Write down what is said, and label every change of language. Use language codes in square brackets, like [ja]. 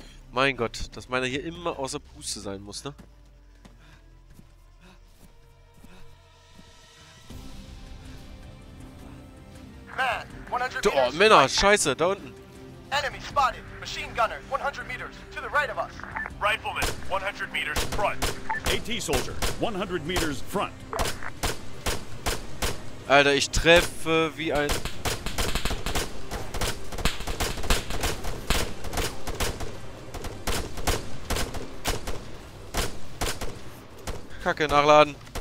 [de] Mein Gott, dass meiner hier immer außer Puste sein muss, ne? Oh, Männer, scheiße, da unten. [en] Enemy spotted. Machine gunner, 100 meters, to the right of us. Rifleman, 100 meters front. AT soldier, 100 meters front. [de] Alter, ich treffe wie ein... Kacke, nachladen.